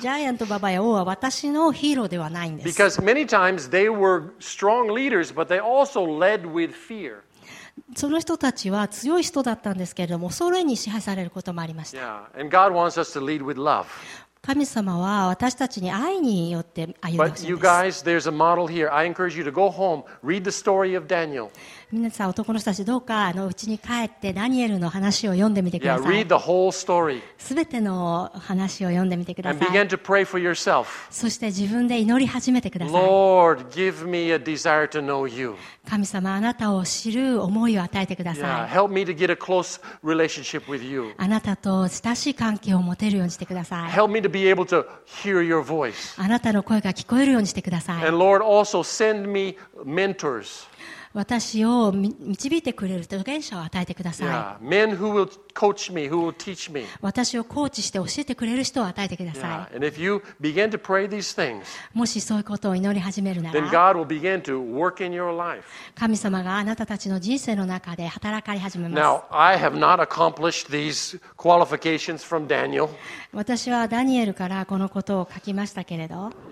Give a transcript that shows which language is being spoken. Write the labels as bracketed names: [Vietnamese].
[Japanese] Giant Baba や Oh は私のヒーローではないんです。 [English] Because many times they were strong leaders, but they also led with fear. [Japanese] その人たちは強い人だったんですけれども、恐れに支配されることもありました。 [English] Yeah. And God wants us to lead with love. [Japanese] 神様は私たちに愛によって歩んでほしいです。 [English] But you guys, there's a model here. I encourage you to go home, read the story of Daniel. [Japanese] 皆さん、男の人たちどうか家に帰ってダニエルの話を読んでみてください。 [English] Yeah, read the whole story. [Japanese] すべての話を読んでみてください。 [English] And begin to pray for yourself. [Japanese] そして自分で祈り始めてください。 [English] Lord, give me a desire to know you. [Japanese] 神様、あなたを知る思いを与えてください。 [English] Yeah, help me to get a close relationship with you. [Japanese] あなたと親しい関係を持てるようにしてください。 [English] Help me to be able to hear your voice. [Japanese] あなたの声が聞こえるようにしてください。 [English] And Lord, also send me mentors. [Japanese] 私を導いてくれる助言者を与えてください。 [English] Yeah. Men who will coach me, who will teach me. [Japanese] 私をコーチして教えてくれる人を与えてください。 [English] Yeah. And if you begin to pray these things, [Japanese] もしそういうことを祈り始めるなら、 [English] then God will begin to work in your life. [Japanese] 神様があなたたちの人生の中で働かれ始めます。 [English] Now, I have not accomplished these qualifications from Daniel. [Japanese] 私はダニエルからこのことを書きましたけれど、